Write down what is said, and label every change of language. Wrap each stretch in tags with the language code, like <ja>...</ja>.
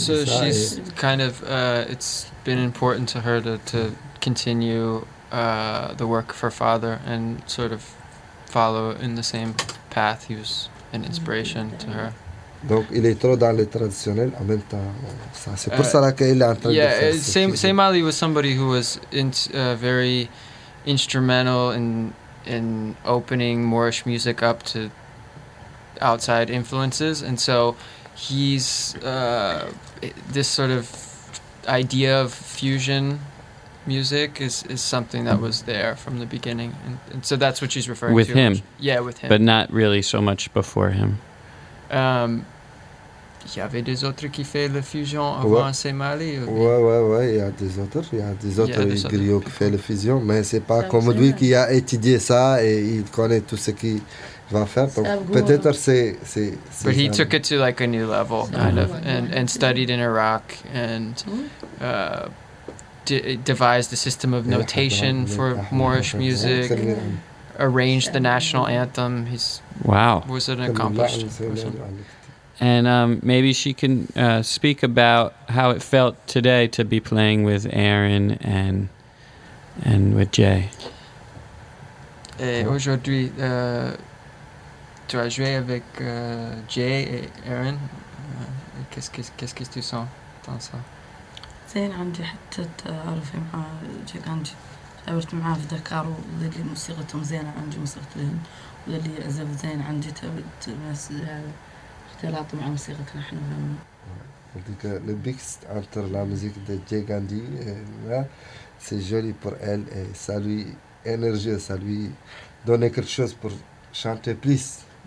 <en>So she's kind of it's been important to her to continue the work of her father and sort of follow in the same path. He was an inspiration to her.</en> <fr>Donc il est trop dans le traditionnel en même temps. C'est pour ça qu'il est en train de faire.</fr> <en>Yeah, Seymali was somebody who was very instrumental in opening Moorish music up to outside influences, and so. He's this sort of idea of fusion music is something that was there from the beginning. And so that's what she's referring with to. With him. Which, yeah, with him. But not really so much before him.</en> <fr>Y avait des autres qui fait la fusion avant ouais. C'est Mali. Ou ouais, ouais, ouais, il y a des autres. Il y a des autres griots qui fait la fusion, mais ce n'est pas ça comme lui qui a étudié ça et il connaît tout ce qu'il va faire. Donc peut-être c'est.</fr> <en>But he took it to like a new level, kind of, and studied in Iraq and devised a system of notation for Moorish music. Arranged the national anthem. He's wow. Was an accomplished person. And maybe she can speak about how it felt today to be playing with Aaron and with Jay.</en> <fr>Aujourd'hui, tu as joué avec Jay et Aaron. Qu'est-ce que tu sens dans ça?</fr> <ar>زين عندي حتى تعرفي مع جاي عندي تعبرت معاه في دكار واللي موسيقتهم زينة عندي موسيقتهم واللي عزف زين عندي تعبت ناس اختلاط مع موسيقتنا احنا</ar> <fr>donc le mix entre la musique de Jay Gandhi c'est joli pour elle et ça lui énergie ça lui donne quelque chose pour chanter plus.</fr>